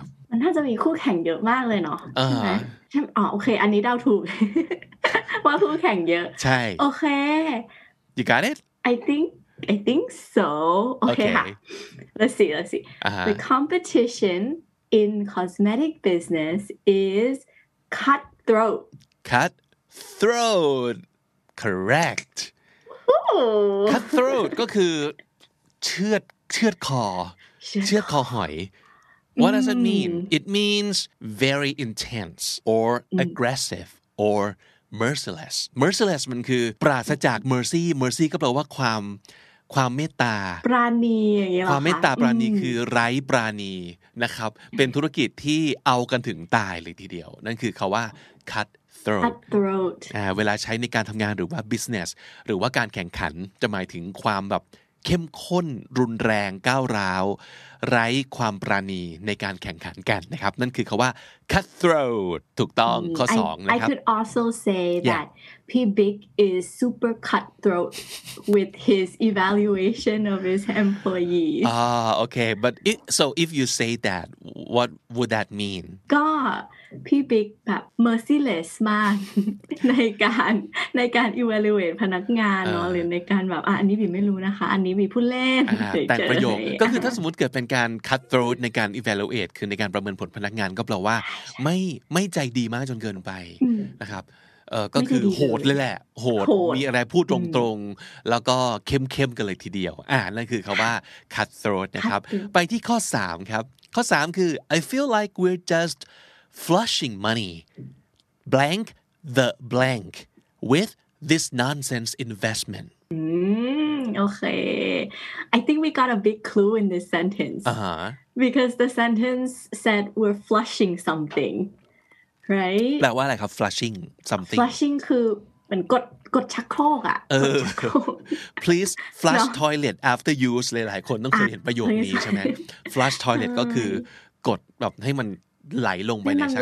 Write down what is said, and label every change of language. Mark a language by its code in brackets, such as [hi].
[th] มันน่าจะมีคู่แข่งเยอะมากเลยเน า ะใช่ไหมอ๋อโอเคอันนี้เดาถูกว่าคู่แข่งเยอะ ใช่ โอเค [en] you got it I think so okay ค่ะ let's see the competition in cosmetic business isCutthroat. Correct. Ooh. Cutthroat [th] ก็คือเชือดคอหอย [en] What does it mean? It means very intense or aggressive or merciless. [th] Merciless มันคือปราศจาก mercy. Mercy ก็แปลว่าความเมตตา ปราณีอย่างเงี้ยหรอ ความเมตตาปราณีคือไร้ปราณีนะครับเป็นธุรกิจที่เอากันถึงตายเลยทีเดียวนั่นคือคำว่า cutthroat เวลาใช้ในการทำงานหรือว่า business หรือว่าการแข่งขันจะหมายถึงความแบบเข้มข้นรุนแรงก้าวร้าวไร้ความปราณีในการแข่งขันกันนะครับนั่นคือคำว่า cutthroat ถูกต้องข้อ2นะครับ [en] I could also say that P Big is super cutthroat with his evaluation of his employees okay but so if you say that what would that mean [th] ก็ P Big แบบ merciless มากในการ evaluate พนักงานเนาะหรือในการแบบอันนี้บีไม่รู้นะคะอันนี้บีพูดเล่น แต่ประโยคก็คือถ้าสมมติเกิดเป็นการ cutthroat ในการ evaluate คือในการประเมินผลพนักงานก็แปลว่าไม่ใจดีมากจนเกินไปนะครับก็คือโหดเลยแหละโหดมีอะไรพูดตรงๆแล้วก็เข้มๆกันเลยทีเดียวนั่นคือคำว่า cutthroat นะครับไปที่ข้อ3ครับข้อ3คือ [en] I feel like we're just flushing money blank the blank with this nonsense investment okay I think we got a big clue in this sentence because the sentence said we're flushing somethingright [th] แปลว่าอะไรครับ flushing something flushing คือเหมือนกดชักโครกอ่ะ เออ [en] please flush toilet after use [th] หลายๆคนต้องเคยเห็นประโยคนี้ใช่ไหม flush toilet ก็คือกดแบบให้มันไหลลงไปในชักโครก